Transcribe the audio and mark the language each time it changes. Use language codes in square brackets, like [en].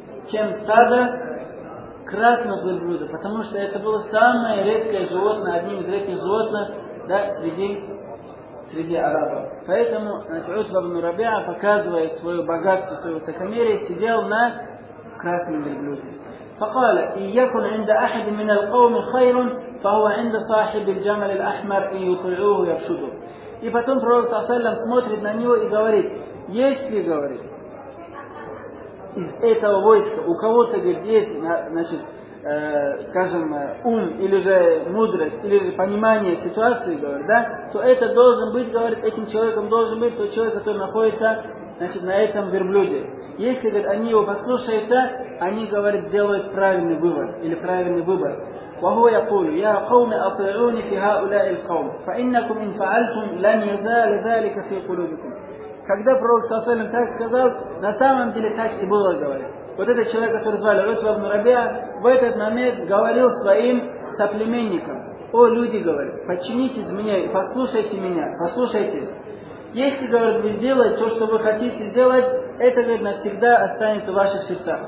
[ru] Чем стадо красных верблюдов. Потому что это было самое редкое животное, одним из редких животных, да, среди арабов. Поэтому Утба ибн Рабиа, показывая свое богатство, свое высокомерие, сидел на красном верблюде. [ar] فقال إياكم عند أحد من القوم خير فهو عند صاحب الجمل الأحمر إن يطيعوه يرشده. [ru] И потом пророк саллям смотрит на него и говорит: если, говорит, из этого войска у кого-то, говорит, есть, значит, скажем, ум или же мудрость или же понимание ситуации, говорит, да, то это должен быть, говорит, этим человеком должен быть тот человек, который находится, значит, на этом верблюде. Если, говорит, они его послушаются, они, говорит, делают правильный вывод или правильный выбор. [ar] وهو يقول يا قوم أطيعوني في هؤلاء القوم فإنكم إن فعلتم لن يزال ذلك في قلوبكم. [ru] Когда пророк саллям так сказал, на самом деле так и было, говорит. Вот этот человек, который звали Утба ибн Рабиа, в этот момент говорил своим соплеменникам: о люди, говорит, подчинитесь мне, послушайте меня, послушайте. Если, говорит, вы сделаете то, что вы хотите сделать, это, говорит, навсегда останется в ваших сердцах.